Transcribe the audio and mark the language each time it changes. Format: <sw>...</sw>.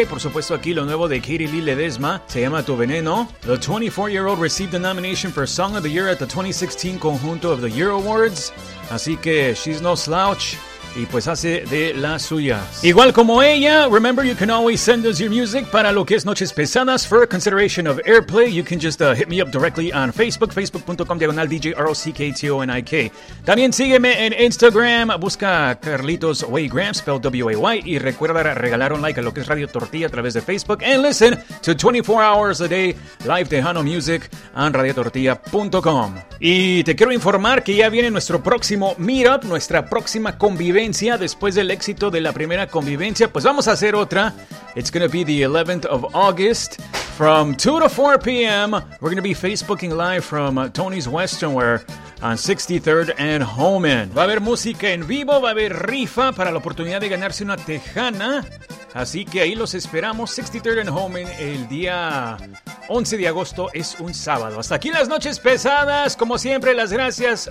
<es>Y por supuesto aquí lo nuevo de Katie Lee Ledesma, se llama Tu Veneno.</es> <en>The 24-year-old received the nomination for Song of the Year at the 2016 Conjunto of the Year Awards.</en> <es>Así que</es> <en>she's no slouch</en> <es>y pues hace de las suyas. Igual como ella,</es> <en>remember you can always send us your music</en> <es>para lo que es</es> <en>Noches Pesadas for a consideration of airplay. You can just hit me up directly on Facebook, facebook.com/djrocktonik.</en> <es>También sígueme en Instagram, busca Carlitos Waygram,</es> <en>spelled W-A-Y,</en> <es>y recuerda regalar un like a lo que es Radio Tortilla a través de Facebook</es> <en>and listen to 24 hours a day live Tejano Music on radiotortilla.com.</en> <es>Y te quiero informar que ya viene nuestro próximo meetup, nuestra próxima convivencia. Después del éxito de la primera convivencia, pues vamos a hacer otra.</es> <en>It's going to be the 11th of August from 2 to 4 p.m. We're going to be Facebooking live from Tony's Westernware on 63rd and Homan.</en> <es>Va a haber música en vivo, va a haber rifa para la oportunidad de ganarse una tejana. Así que ahí los esperamos, 63rd and Homan, el día 11 de agosto, es un sábado. Hasta aquí las Noches Pesadas, como siempre, las gracias.</es>